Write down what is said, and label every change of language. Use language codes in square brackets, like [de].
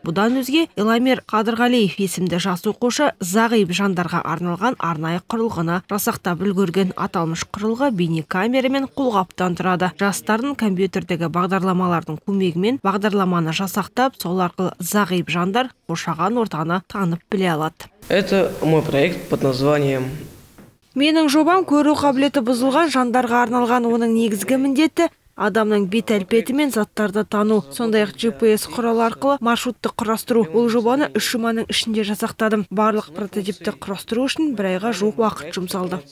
[kk] Бұдан өзге Эламер Қадырғалиев есімді жас оқушы зағип жандарға арналған арнайы құрылғыны жасақтап үлгерген. Аталмыш құрылғы бейнекамерамен қолғаптан тұрады. Жастардың компьютердегі бағдарламалардың көмегімен бағдарламаны жасақтап, сол арқылы зағип жандар қоршаған ортаны танып біле алады. [ru] Это мой проект под названием. [kk] Менің жобам көру қабілеті бұзылған жандарға арналған. Оның негізгі міндеті адамның бет әлпеті мен заттарды тану, сондай-ақ GPS құрал арқылы маршрутты құрастыру. Бұл жобаны үш жұманың ішінде жасақтадым. Барлық прототипті құрастыру үшін бір айға жуық уақыт жұмсалды.